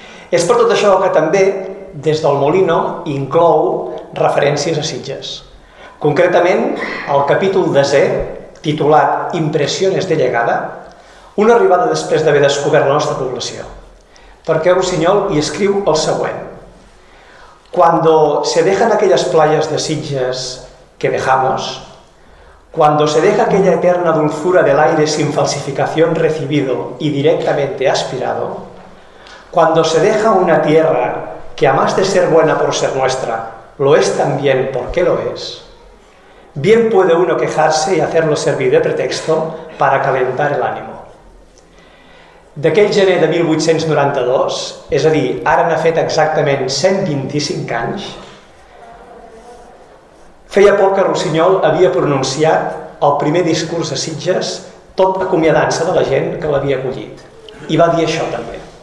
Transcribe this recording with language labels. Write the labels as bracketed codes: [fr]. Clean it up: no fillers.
[ca] És per tot això que també, des del Molino, inclou referències a Sitges. Concretament, el capítol desè, titulat Impressiones de llegada, una arribada després d'haver descobert la nostra població. Perquè Rossinyol hi escriu el següent. [es] cuando se dejan aquellas playas de Sitges que dejamos, cuando se deja aquella eterna dulzura del aire sin falsificación recibido y directamente aspirado, cuando se deja una tierra que, a más de ser buena por ser nuestra, lo es también porque lo es, bien puede uno quejarse y hacerlo servir de pretexto para calentar el ánimo. [ca] D'aquell gener de 1892, és a dir, ara n'ha fet exactament 125 anys, feia poc que Rossinyol havia pronunciat el primer discurs a Sitges, tot acomiadant-se de la gent que l'havia acollit. I va dir això també.